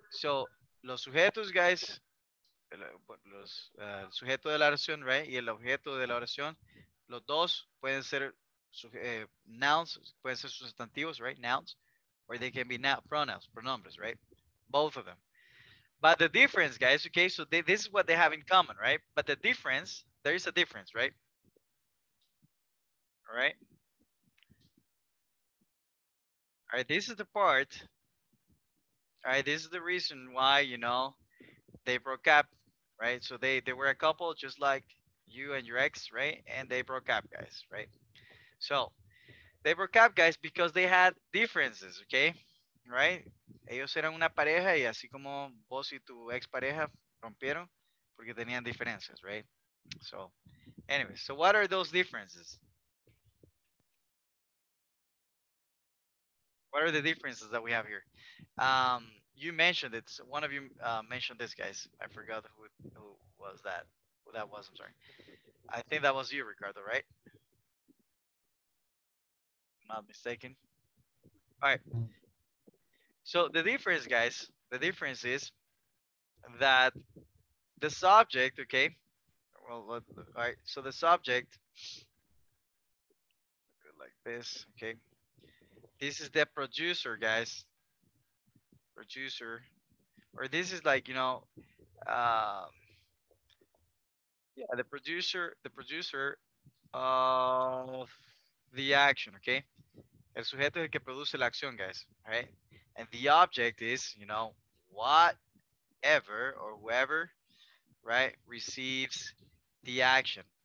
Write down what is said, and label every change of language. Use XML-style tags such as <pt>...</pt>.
<es>So, los sujetos, guys, el sujeto de la oración, right, y el objeto de la oración, los dos pueden ser nouns, pueden ser sustantivos, right, nouns,</es> <en>or they can be pronouns,</en> <es>pronombres, right,</es> <en>both of them. But the difference, guys, okay, so this is what they have in common, right? But the difference, there is a difference, right? All right? All right, this is the part, all right, this is the reason why, you know, they broke up, right? So they were a couple just like you and your ex, right? And they broke up, guys, right? So they broke up, guys, because they had differences, okay? Right?</en> <es>Ellos eran una pareja y así como vos y tu ex pareja rompieron porque tenían diferencias, right?</es> <en>So, anyway, so what are those differences? What are the differences that we have here? You mentioned it. So one of you mentioned this, guys. I forgot who was that. Who that was, I'm sorry. I think that was you, Ricardo, right? Not mistaken. All right. So the difference, guys, the difference is that the subject, okay? Well, all right. So the subject, like this, okay? This is the producer, guys. Producer. Or this is like, you know, yeah, the producer of the action, okay?</en> <es>El sujeto es el que produce la acción, guys, right?</es> <en>And the object is, you know, whatever or whoever, right, receives the action.</en>